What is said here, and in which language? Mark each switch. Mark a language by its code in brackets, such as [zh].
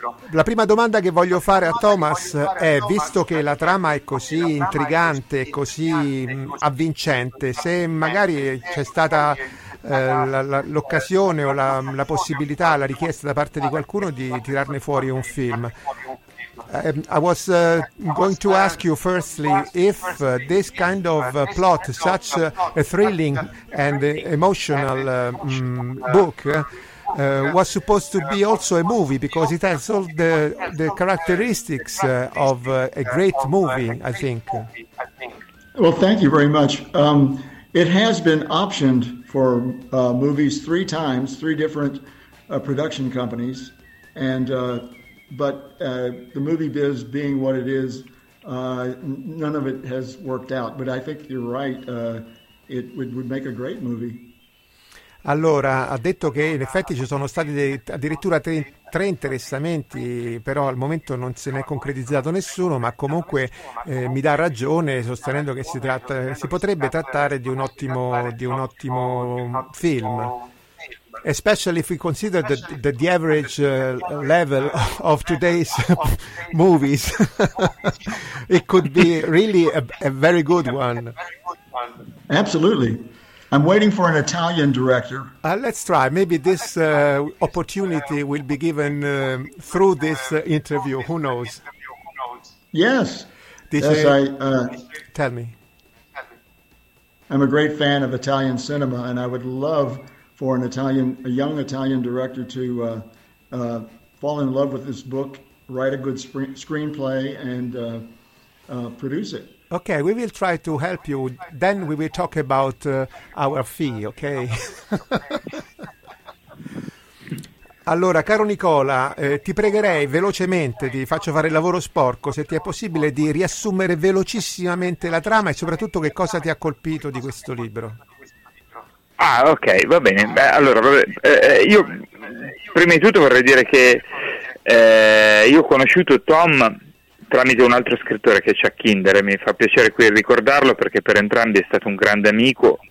[it] La prima domanda che voglio fare a Thomas è, visto che la trama è così intrigante, così avvincente, se magari c'è stata l'occasione o la possibilità, la richiesta da parte di qualcuno di tirarne fuori un film. [en] I was going to ask you firstly if this kind of plot, such a thrilling and emotional book, was supposed to be also a movie, because it has all the characteristics of a great movie, I think. Well, thank you very much. It has been optioned for movies three times, three different production companies, and but the movie biz being what it is, none of it has worked out. But I think you're right, it would make a great movie. [it] Allora, ha detto che in effetti ci sono stati addirittura tre interessamenti, però al momento non se ne è concretizzato nessuno, ma comunque mi dà ragione sostenendo che si potrebbe trattare di un ottimo film. [en] Especially if we consider the average level of today's movies, it could be really a very good one. Absolutely. I'm waiting for an Italian director. Let's try. Maybe this opportunity will be given through this interview. Who knows? Yes. Tell me. I'm a great fan of Italian cinema, and I would love for a young Italian director to fall in love with this book, write a good screenplay, and produce it. Okay, we will try to help you. Then we will talk about our fee, okay? [it] Allora, caro Nicola, ti pregherei velocemente, ti faccio fare il lavoro sporco, se ti è possibile, di riassumere velocissimamente la trama e soprattutto che cosa ti ha colpito di questo libro. Ah, ok, va bene. Beh, allora, io prima di tutto vorrei dire che io ho conosciuto Tom tramite un altro scrittore, che è Chuck Kinder, e mi fa piacere qui ricordarlo, perché per entrambi è stato un grande amico.